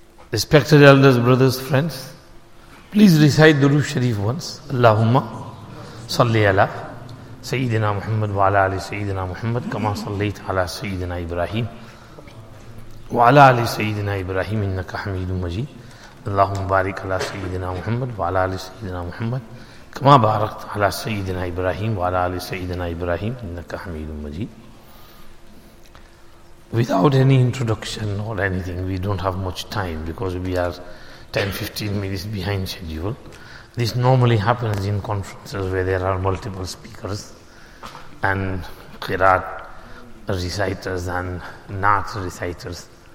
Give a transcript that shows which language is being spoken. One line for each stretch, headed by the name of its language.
English: Respected elders, brothers, friends, please recite درود شریف once.
Arabic: اللہم صلی علی سیدنا محمد وعلی علی سیدنا محمد کما صلیت علی سیدنا ابراہیم وعلی علی سیدنا ابراہیم انک حمید مجید. اللہم بارک علی سیدنا محمد وعلی علی سیدنا محمد کما بارکت علی سیدنا ابراہیم وعلی علی سیدنا ابراہیم انک حمید مجید.
English: Without any introduction or anything, we don't have much time because we are 10-15 minutes behind schedule. This normally happens in conferences where there are multiple speakers and qiraat reciters and naat reciters.